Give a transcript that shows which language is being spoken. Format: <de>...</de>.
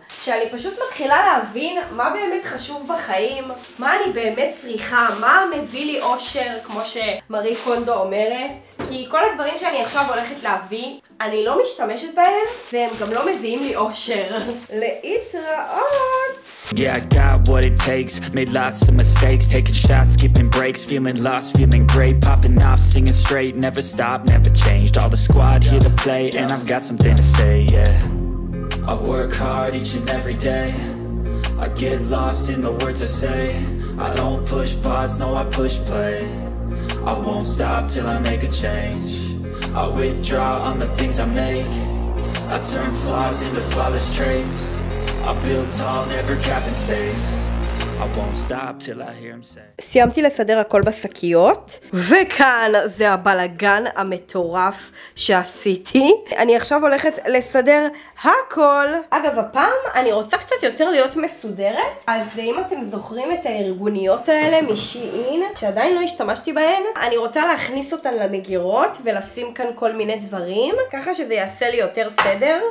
<he>שאני פשוט מתחילה להבין מה באמת חשוב בחיים, מה אני באמת צריכה, מה מביא לי אושר, כמו שמרי קונדו אומרת. כי כל הדברים שאני עכשיו הולכת להביא, אני לא משתמשת בהם, והם גם לא מביאים לי אושר. להתראות!</he> <en>Yeah, I got what it takes. Made lots of mistakes. Taking shots, skipping breaks. Feeling lost, feeling great. Popping off, singing straight. Never stopped, never changed. All the squad here to play. And I've got something to say, yeah. I work hard each and every day. I get lost in the words I say. I don't push pause, no, I push play. I won't stop till I make a change. I withdraw on the things I make. I turn flaws into flawless traits. I build tall, never cap in space. I won't stop till I hear him say.</en> <he>סיימתי לסדר הכל בסקיות, וכאן זה הבלגן המטורף שעשיתי. אני עכשיו הולכת לסדר הכל. אגב, הפעם אני רוצה קצת יותר להיות מסודרת, אז אם אתם זוכרים את הארגוניות האלה משיעין, שעדיין לא השתמשתי בהן, אני רוצה להכניס אותן למגירות ולשים כאן כל מיני דברים, ככה שזה יעשה לי יותר סדר.</he>